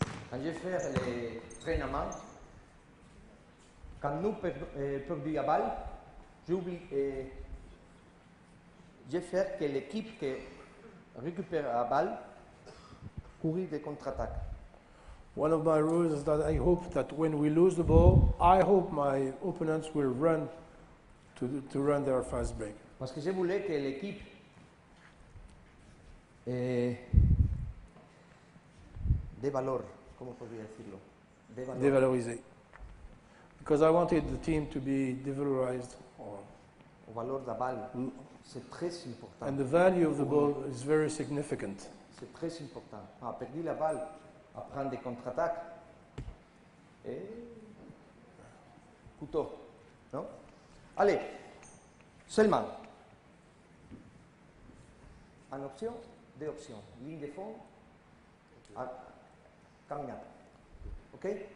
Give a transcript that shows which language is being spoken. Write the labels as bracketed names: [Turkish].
[French] Quand je fais les entraînements, quand nous perdons la balle, j'oublie. Je fais que l'équipe qui récupère la balle courir des contre-attaques. [English] One of my rules is that I hope that when we lose the ball, I hope my opponents will run to run their fast break. [French] Parce que je voulais que l'équipe de valor, comment pourrais-je dire, dévalorisé. [English] Because I wanted the team to be devalorized. [French] Le valor de la balle, c'est très important. [English] And the value of the ball is very significant. [French] C'est très important. Ah, perdu la balle. À prendre des contre-attaques et couteau, non? Allez, seulement en option, deux options, ligne de fond, caminade, ok?